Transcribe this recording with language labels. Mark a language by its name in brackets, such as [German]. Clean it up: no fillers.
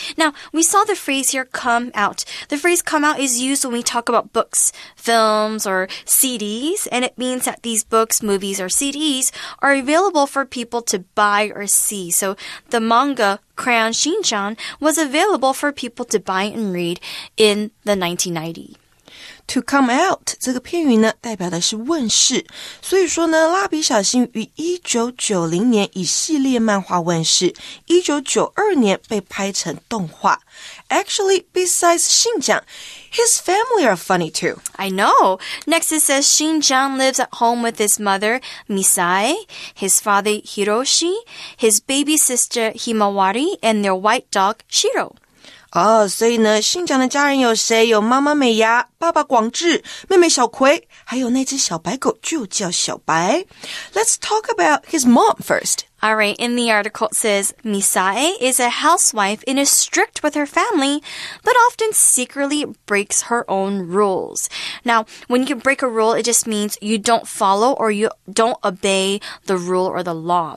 [English] Now, we saw the phrase here, come out. The phrase come out is used when we talk about books, films, or CDs, and it means that these books, movies, or CDs are available for people to buy or see. So, the manga, Crayon Shinchan, was available for people to buy and read in the 1990s. To come out, [Chinese] 这个片语呢代表的是问世。所以说呢蜡笔小新于1990年以系列漫画问世 ,1992 年被拍成动画。 [English] Actually, besides Xinjiang, his family are funny too. I know. Next it says Xinjiang lives at home with his mother, Misai, his father, Hiroshi, his baby sister, Himawari, and their white dog, Shiro. [Chinese] 哦、oh, 所以呢新疆的家人有谁有妈妈美牙爸爸广志妹妹小葵还有那只小白狗就叫小白。 [English] Let's talk about his mom first. Alright, in the article it says, Misae is a housewife and is strict with her family, but often secretly breaks her own rules. Now, when you break a rule, it just means you don't follow or you don't obey the rule or the law.